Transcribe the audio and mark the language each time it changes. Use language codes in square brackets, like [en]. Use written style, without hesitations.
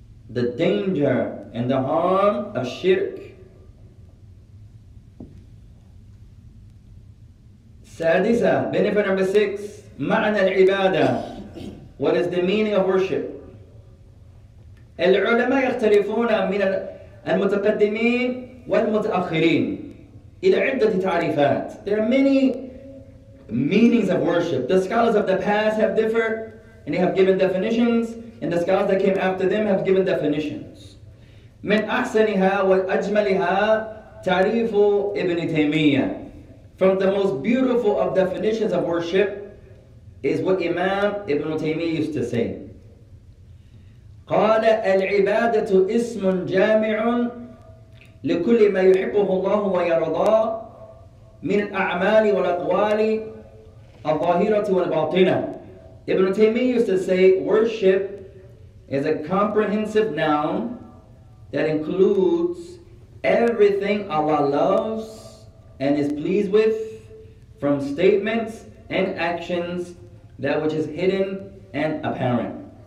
[en] The danger and the harm of shirk. [ar] سادسة, [en] benefit number six, [ar] معنى العبادة. [en] What is the meaning of worship? [ar] العلماء يختلفون من المتقدمين والمتأخرين إلى عدة تعريفات. [en] There are many meanings of worship. The scholars of the past have differed and they have given definitions, and the scholars that came after them have given definitions. [ar] من أحسنها وأجملها تعريف ابن تيمية. [en] From the most beautiful of definitions of worship is what Imam Ibn Taymiyyah used to say. [ar] قال العبادة اسم جامع لكل ما يحبه الله ويرضاه من الأعمال والأقوال الظاهرة والباطنة. [en] Ibn Taymiyyah used to say worship is a comprehensive noun that includes everything Allah loves and is pleased with, from statements and actions, that which is hidden and apparent.